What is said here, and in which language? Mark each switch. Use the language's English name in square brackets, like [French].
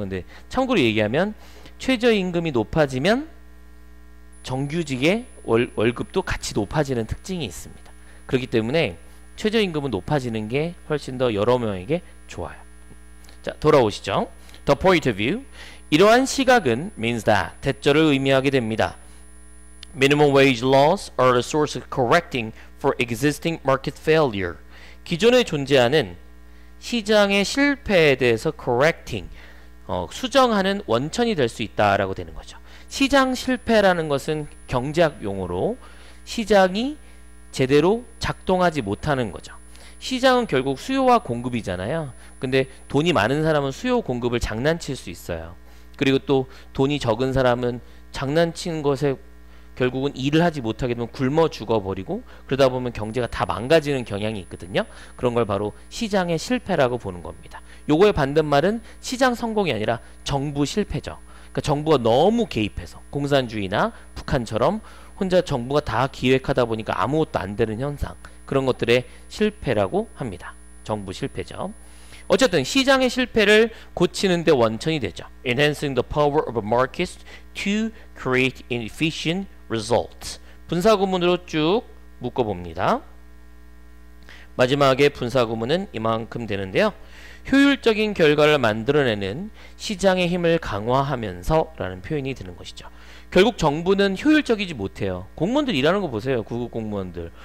[Korean] 근데 참고로 얘기하면 최저임금이 높아지면 정규직의 월급도 같이 높아지는 특징이 있습니다. 그렇기 때문에 최저임금은 높아지는 게 훨씬 더 여러 명에게 좋아요. 자, 돌아오시죠. [English] The point of view. [Korean] 이러한 시각은 [English] means that [Korean] 대절을 의미하게 됩니다. [English] Minimum wage laws are a source of correcting for existing market failure. [Korean] 기존에 존재하는 시장의 실패에 대해서 correcting, 수정하는 원천이 될 수 있다라고 되는 거죠. 시장 실패라는 것은 경제학 용어로 시장이 제대로 작동하지 못하는 거죠. 시장은 결국 수요와 공급이잖아요. 근데 돈이 많은 사람은 수요 공급을 장난칠 수 있어요. 그리고 또 돈이 적은 사람은 장난치는 것에 결국은 일을 하지 못하게 되면 굶어 죽어버리고 그러다 보면 경제가 다 망가지는 경향이 있거든요. 그런 걸 바로 시장의 실패라고 보는 겁니다. 요거의 반대말은 시장 성공이 아니라 정부 실패죠. 그러니까 정부가 너무 개입해서 공산주의나 북한처럼 혼자 정부가 다 기획하다 보니까 아무것도 안 되는 현상, 그런 것들의 실패라고 합니다. 정부 실패죠. 어쨌든 시장의 실패를 고치는 데 원천이 되죠. [English] Enhancing the power of a market to create efficient results. [Korean] 분사구문으로 쭉 묶어봅니다. 마지막에 분사구문은 이만큼 되는데요. 효율적인 결과를 만들어내는 시장의 힘을 강화하면서 라는 표현이 되는 것이죠. 결국 정부는 효율적이지 못해요. 공무원들 일하는 거 보세요. 구급 공무원들.